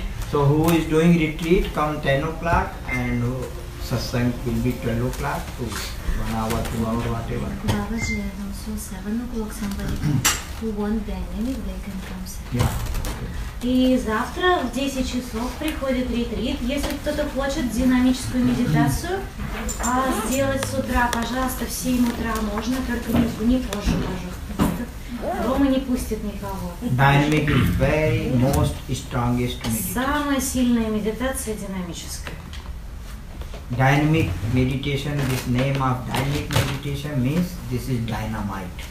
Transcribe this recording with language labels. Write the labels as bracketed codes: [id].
[en] So who is doing retreat, come 10 o'clock and satsang will be 12 o'clock to 1 hour, 2 hour, whatever. Babaji, and also 7 o'clock somebody who want dynamic, they can come. Yeah. [ru] И завтра в 10 часов приходит ретрит. Если кто-то хочет динамическую медитацию сделать с утра, пожалуйста, в 7 утра можно, только не позже, пожалуйста. Рома не пустит никого. [en] Dynamic is very most strongest meditation. [ru] Самая сильная медитация динамическая. [en] Dynamic meditation, this name of dynamic meditation means this is dynamite.